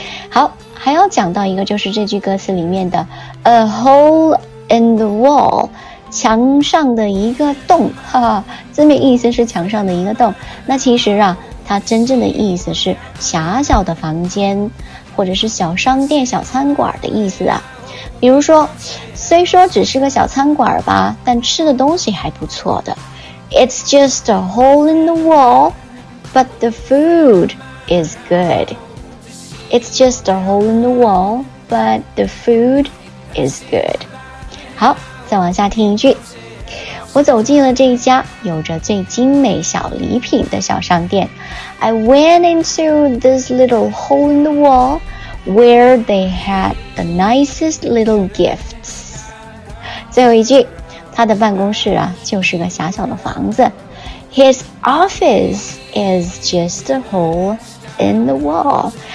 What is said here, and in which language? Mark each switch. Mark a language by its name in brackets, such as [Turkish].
[Chinese] 好，还要讲到一个，就是这句歌词里面的 [English] a hole in the wall， [Chinese] 墙上的一个洞，哈哈，字面意思是墙上的一个洞，那其实啊它真正的意思是狭小的房间或者是小商店小餐馆的意思啊。比如说，虽说只是个小餐馆吧，但吃的东西还不错的。 [English] It's just a hole in the wall but the food is goodIt's just a hole in the wall, but the food is good. [Chinese] 好，再往下听一句。我走进了这一家有着最精美小礼品的小商店。 [English] I went into this little hole in the wall where they had the nicest little gifts. [Chinese] 最后一句，他的办公室啊就是个狭小的房子。 [English] His office is just a hole in the wall.